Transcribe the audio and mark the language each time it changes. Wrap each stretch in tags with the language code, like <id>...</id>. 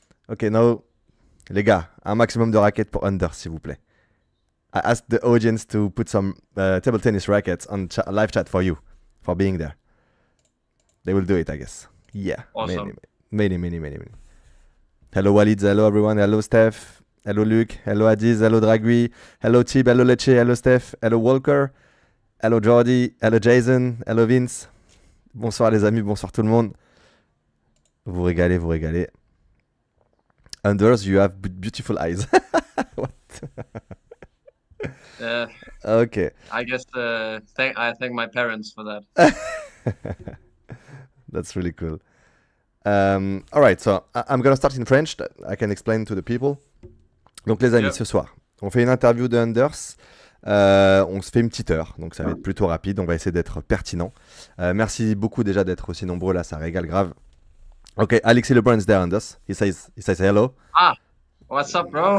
<en>Okay, now,</en> <fr>les gars, un maximum de raquettes pour Anders, s'il vous plaît.</fr> <en>I asked the audience to put some table tennis rackets on ch live chat for you, for being there. They will do it, I guess. Yeah, many, Awesome. many, many, many, many. Hello, Walid. Hello, everyone. Hello, Steph. Hello, Luke. Hello, Adiz. Hello, Dragui. Hello, Tib. Hello, Leche. Hello, Steph. Hello, Walker. Hello, Jordi. Hello, Jason. Hello, Vince.</en> <fr>Bonsoir, les amis. Bonsoir, tout le monde. Vous régalez, vous régalez. Anders,</fr> <en>you have beautiful eyes. What? Ok. I guess I thank my parents for that. That's really cool. All right, so I'm gonna start in French. I can explain to the people.</en> <fr>Donc les amis, ce soir, on fait une interview de Anders. On se fait une petite heure, donc ça va être plutôt rapide. On va essayer d'être pertinent. Merci beaucoup déjà d'être aussi nombreux là, ça régale grave.</fr> <en>Ok, Alexis LeBron is there, Anders. Ah, what's up, bro?</en>